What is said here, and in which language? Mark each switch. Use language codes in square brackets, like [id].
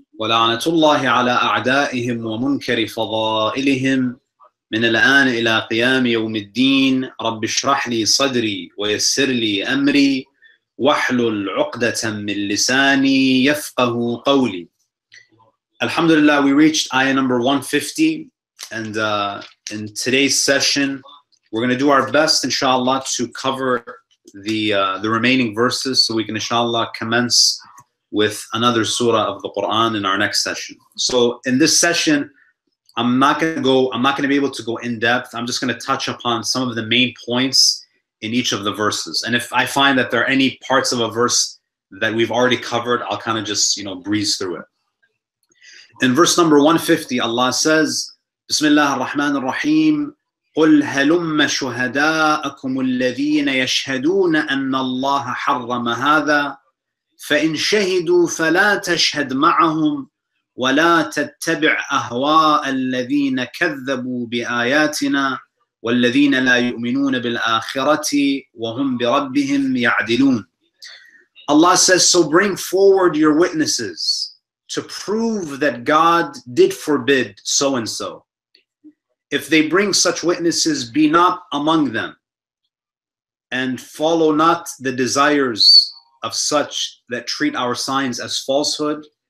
[ar] ولعنة الله على أعدائهم ومنكر فضائلهم من الآن إلى قيام يوم الدين رب اشرح لي صدري ويسر لي أمري واحلل عقدة من لساني يفقه قولي. [en] Alhamdulillah, we reached ayah number 150, and in today's session we're going to do our best inshallah to cover the remaining verses, so we can inshallah commence with another surah of the Quran in our next session. So in this session I'm not going to be able to go in depth. I'm just going to touch upon some of the main points in each of the verses. And if I find that there are any parts of a verse that we've already covered, I'll kind of just, you know, breeze through it. In verse number 150, Allah says, [ar] Bismillah ar-Rahman ar-Rahim, قُلْ هَلُمَّ شُهَدَاءَكُمُ الَّذِينَ يَشْهَدُونَ أَنَّ اللَّهَ حَرَّمَ هَذَا فَإِنْ شَهِدُوا فَلَا تَشْهَدْ مَعَهُمْ وَلَا تَتَّبِعْ أَهْوَاءَ الَّذِينَ كَذَّبُوا بِآيَاتِنَا وَالَّذِينَ لَا يُؤْمِنُونَ بِالْآخِرَةِ وَهُمْ بِرَبِّهِمْ يَعْدِلُونَ. [en] Allah says, so bring forward your witnesses to prove that God did forbid so-and-so. If they bring such witnesses, be not among them and follow not the desires of such that treat our signs as falsehood.